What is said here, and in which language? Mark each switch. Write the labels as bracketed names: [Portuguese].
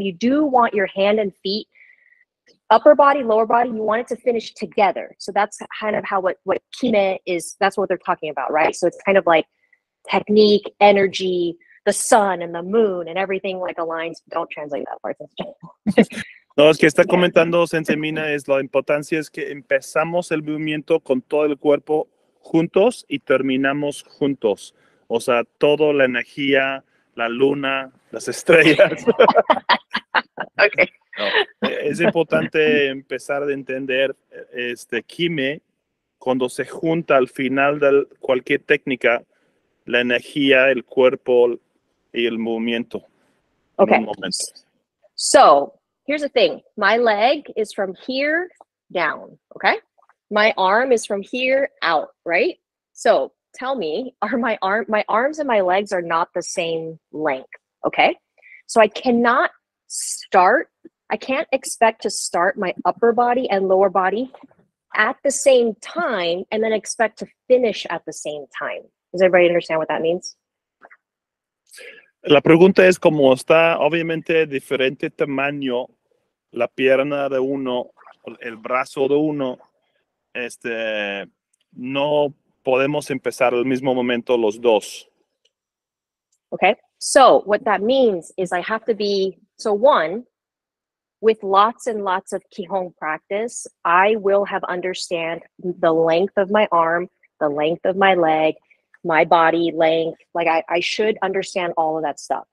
[English] You do want your hand and feet, upper body, lower body, you want it to finish together. So that's kind of how what kine is, that's what they're talking about, right? So it's kind of like technique, energy, the sun and the moon and everything like aligns. Don't translate that part. [Spanish] No, es que está comentando Sensei Mina, es la importancia es que empezamos el movimiento con todo el cuerpo juntos y terminamos juntos. O sea, toda la energía, la luna, las estrellas. [English] Okay. [Spanish] No, es importante empezar a entender este kime, cuando se junta al final de cualquier técnica, la energía, el cuerpo y el movimiento. [English] Okay. [Spanish] En un momento. [English] So... here's the thing. My leg is from here down, okay? My arm is from here out, right? So tell me, are my arms and my legs are not the same length, okay? So I cannot start, I can't expect to start my upper body and lower body at the same time and then expect to finish at the same time. Does everybody understand what that means? [Spanish] La pregunta es como está obviamente diferente tamaño la pierna de uno, el brazo de uno, este, no podemos empezar al mismo momento los dos. [English] Okay, so what that means is I have to be, so one, with lots and lots of Kihon practice, I will have understand the length of my arm, the length of my leg, my body length, like I should understand all of that stuff.